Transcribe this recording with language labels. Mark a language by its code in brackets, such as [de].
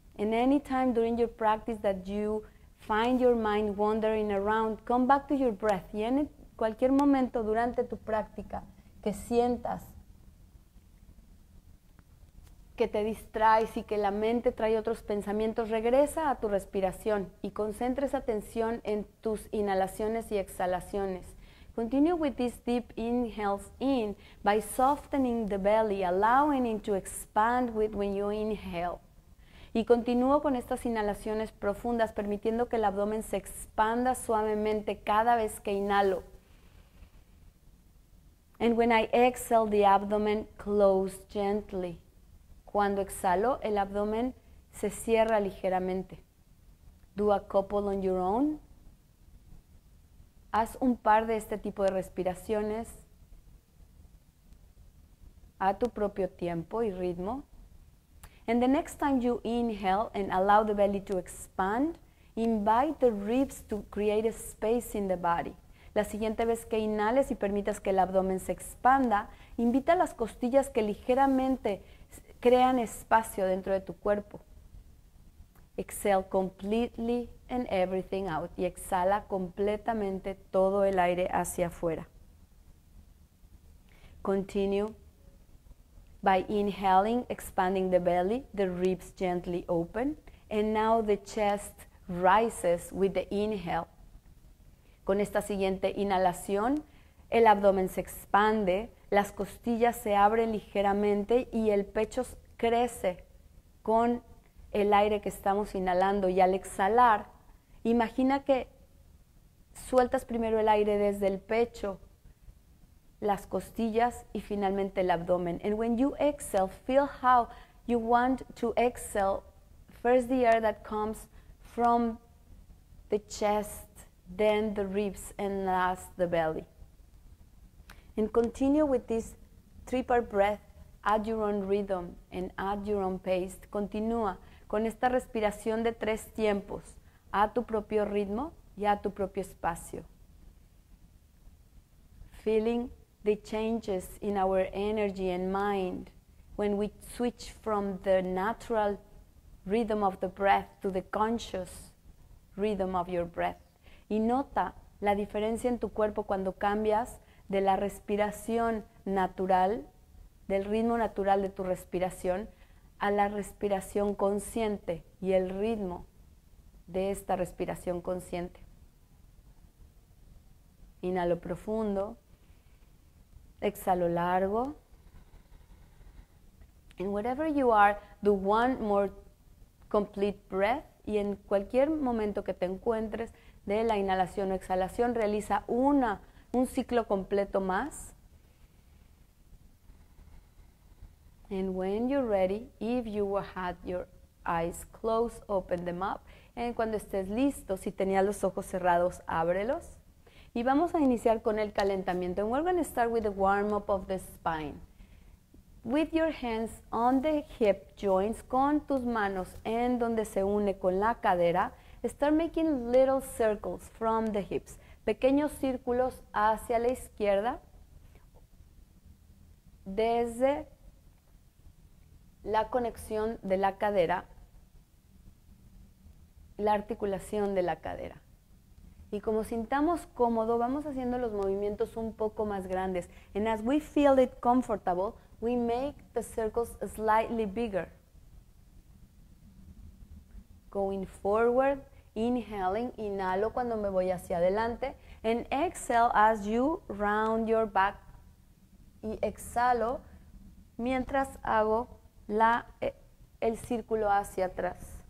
[en] And any time during your practice that you find your mind wandering around, come back to your breath. [es] Y en cualquier momento durante tu práctica que sientas que te distraes y que la mente trae otros pensamientos, regresa a tu respiración y concentra esa atención en tus inhalaciones y exhalaciones. [en] Continue with these deep inhales in by softening the belly, allowing it to expand with when you inhale. [es] Y continúo con estas inhalaciones profundas, permitiendo que el abdomen se expanda suavemente cada vez que inhalo. [en] And when I exhale, the abdomen closes gently. [es] Cuando exhalo, el abdomen se cierra ligeramente. [en] Do a couple on your own. [es] Haz un par de este tipo de respiraciones a tu propio tiempo y ritmo. [en] And the next time you inhale and allow the belly to expand, invite the ribs to create a space in the body. [es] La siguiente vez que inhales y permitas que el abdomen se expanda, invita a las costillas que ligeramente crean espacio dentro de tu cuerpo. [en] Exhale completely and everything out. [es] Y exhala completamente todo el aire hacia afuera. [en] Continue. By inhaling, expanding the belly, the ribs gently open, and now the chest rises with the inhale. [es] Con esta siguiente inhalación, el abdomen se expande, las costillas se abren ligeramente y el pecho crece con el aire que estamos inhalando. Y al exhalar, imagina que sueltas primero el aire desde el pecho, las costillas y finalmente el abdomen. [en] And when you exhale, feel how you want to exhale first the air that comes from the chest, then the ribs, and last the belly. And continue with this three-part breath at your own rhythm and at your own pace. [es] Continúa con esta respiración de tres tiempos a tu propio ritmo y a tu propio espacio. [en] Feeling the changes in our energy and mind when we switch from the natural rhythm of the breath to the conscious rhythm of your breath. [es] Y nota la diferencia en tu cuerpo cuando cambias de la respiración natural, del ritmo natural de tu respiración, a la respiración consciente y el ritmo de esta respiración consciente. Inhalo profundo. Exhalo largo. [en] And wherever you are, do one more complete breath. [es] Y en cualquier momento que te encuentres de la inhalación o exhalación, realiza un ciclo completo más. [en] And when you're ready, if you had your eyes closed, open them up. [es] Y cuando estés listo, si tenías los ojos cerrados, ábrelos. Y vamos a iniciar con el calentamiento. [en] And we're going to start with the warm-up of the spine. With your hands on the hip joints, [es] con tus manos en donde se une con la cadera, [en] start making little circles from the hips. [es] Pequeños círculos hacia la izquierda, desde la conexión de la cadera, la articulación de la cadera. Y como sintamos cómodo, vamos haciendo los movimientos un poco más grandes. [en] And as we feel it comfortable, we make the circles slightly bigger. Going forward, inhaling, [es] inhalo cuando me voy hacia adelante. [en] And exhale as you round your back. [es] Y exhalo mientras hago el círculo hacia atrás.